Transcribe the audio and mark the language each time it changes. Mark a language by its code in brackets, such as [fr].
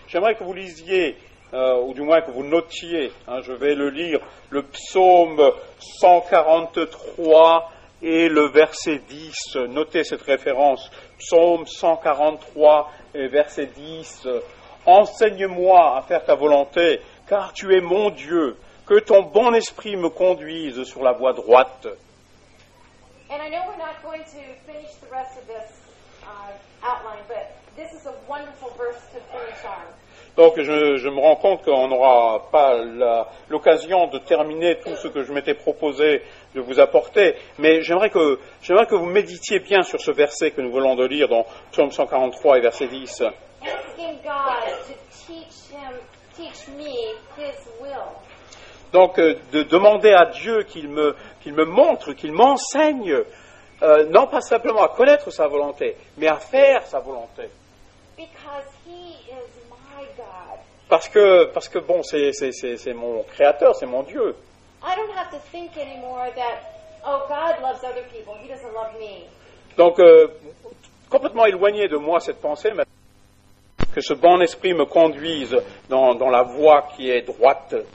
[fr] J'aimerais que vous lisiez, ou du moins que vous notiez, je vais le lire, le psaume 143 et le verset 10. Notez cette référence, psaume 143 et verset 10. Enseigne-moi à faire ta volonté, car tu es mon Dieu. Que ton bon esprit me conduise sur la voie droite. [en] And I know we're not going to finish the rest of this outline, but this is a wonderful verse to finish on. [fr] Donc je me rends compte qu'on n'aura pas l'occasion de terminer tout ce que je m'étais proposé de vous apporter, mais j'aimerais que vous méditiez bien sur ce verset que nous voulons de lire dans Psaume 143 et verset 10. [en] Asking God to teach me his will. [fr] Donc, de demander à Dieu qu'il me montre, qu'il m'enseigne, non pas simplement à connaître sa volonté, mais à faire sa volonté. [en] Because he is my God. [fr] Parce que c'est mon créateur, c'est mon Dieu. [en] I don't have to think anymore that, oh, God loves other people, he doesn't love me. [fr] Donc, complètement éloigné de moi cette pensée, mais que ce bon esprit me conduise dans la voie qui est droite.